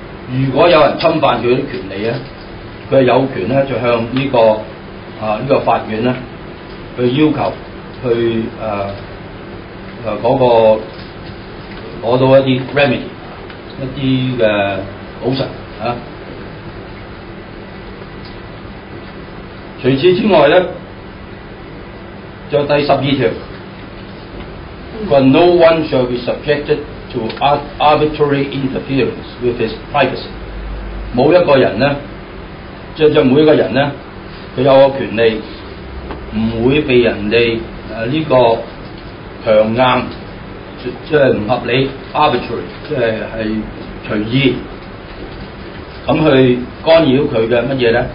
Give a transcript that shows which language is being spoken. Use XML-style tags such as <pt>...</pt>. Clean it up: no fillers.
<yue>如果有人侵犯佢啲權利咧，佢有權咧就向呢、這個啊呢、這個法院咧去要求去嗰、那個攞到一啲 remedy 一啲嘅補償啊。除此之外咧，就第十二條。</yue> <en>But no one shall be subjected to arbitrary interference with his privacy.</en> <yue>每一個人呢，即係每一個人呢，佢有個權利唔會被人哋呢個強硬，即係唔合理 arbitrary， 即係隨意咁去干擾佢嘅乜嘢呢？</yue>